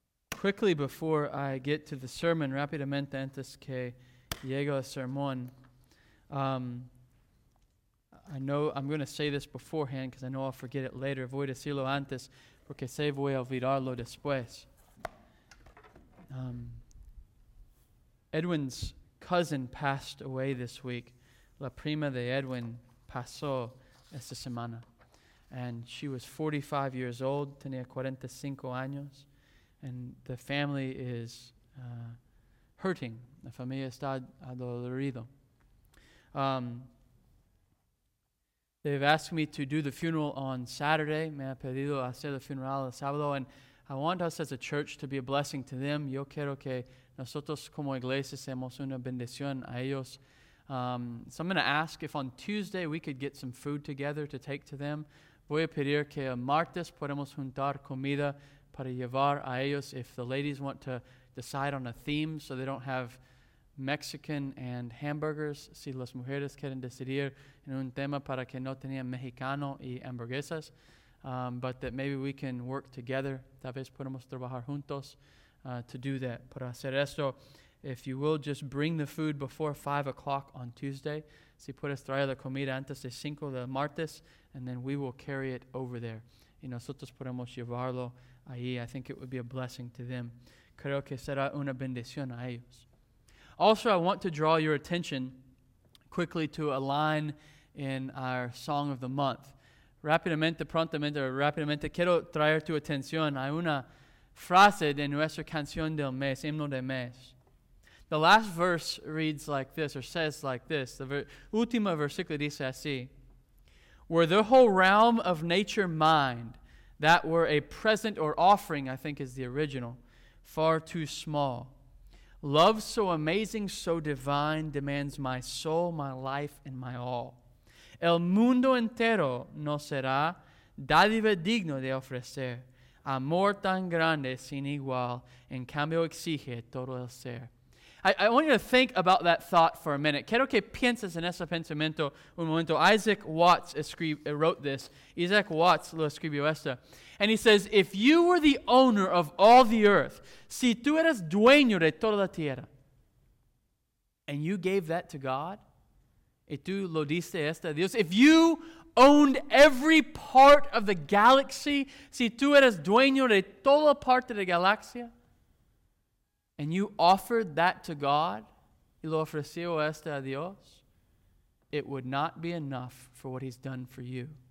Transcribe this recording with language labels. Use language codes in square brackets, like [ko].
[en] Quickly before I get to the sermon, [es] rapidamente antes que llego al sermón, [en] I know I'm going to say this beforehand because I know I'll forget it later. [es] Voy a decirlo antes porque sé voy a olvidarlo después. [en] Edwin's cousin passed away this week. [es] La prima de Edwin pasó esta semana. [en] And she was 45 years old, [es] tenía 45 años. [en] And the family is hurting. [es] La familia está adolorido. [en] They've asked me to do the funeral on Saturday. [es] Me ha pedido hacer el funeral el sábado. [en] And I want us as a church to be a blessing to them. [es] Yo quiero que nosotros como iglesia seamos una bendición a ellos. [en] So I'm going to ask if on Tuesday we could get some food together to take to them. [es] Voy a pedir que el martes podemos juntar comida para llevar a ellos [en] if the ladies want to decide on a theme so they don't have Mexican and hamburgers. [es] Si las mujeres quieren decidir en un tema para que no tenían mexicano y hamburguesas, [en] but that maybe we can work together. [es] Tal vez podemos trabajar juntos [en] to do that. [es] Para hacer esto, [en] if you will just bring the food before 5 o'clock on Tuesday, [es] si puedes traer la comida antes de 5 del martes, [en] and then we will carry it over there. [es] Y nosotros podemos llevarlo ahí. [en] I think it would be a blessing to them. [es] Creo que será una bendición a ellos. [en] Also, I want to draw your attention quickly to a line in our Song of the Month. [es] Rápidamente, prontamente, rápidamente, quiero traer tu atención a una frase de nuestra canción del mes, himno de mes. [en] The last verse reads like this, or says like this. The [es] último versículo dice así. [en] Were the whole realm of nature mind, that were a present or offering, I think is the original, far too small. Love so amazing, so divine, demands my soul, my life, and my all. [es] El mundo entero no será dádiva digno de ofrecer. Amor tan grande sin igual, en cambio exige todo el ser. [en] I want you to think about that thought for a minute. [es] Quiero que pienses en ese pensamiento un momento. [en] Isaac Watts wrote this. Isaac Watts [es] lo escribió esto. [en] And he says, if you were the owner of all the earth, [es] si tú eras dueño de toda la tierra, [en] and you gave that to God, [es] y tú lo diste esto a Dios, [en] if you owned every part of the galaxy, [es] si tú eras dueño de toda parte de la galaxia, [en] and you offered that to God, [es] y lo ofreció esto a Dios, [en] it would not be enough for what he's done for you.